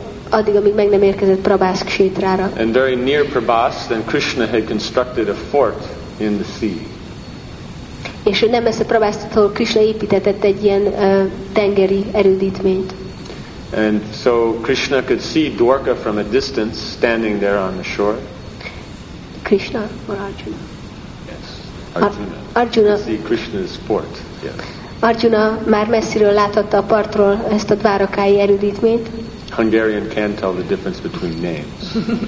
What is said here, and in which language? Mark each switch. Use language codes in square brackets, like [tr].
[hu] Addig, amíg meg nem érkezett Prabhaskshetrára. [en] And very near Prabhas, then Krishna had constructed a fort in the sea. [hu] És nem messze Prabhasztól Krishna építetett egy ilyen tengeri erődítményt. [en] And so Krishna could see Dwarka from a distance standing there on the shore. Krishna or Arjuna? Yes, Arjuna. Arjuna. See Krishna's fort. Yes. [hu] Arjuna már messziről láthatta a partról ezt a dvárakai erődítményt. [en] Hungarian can tell the difference between names.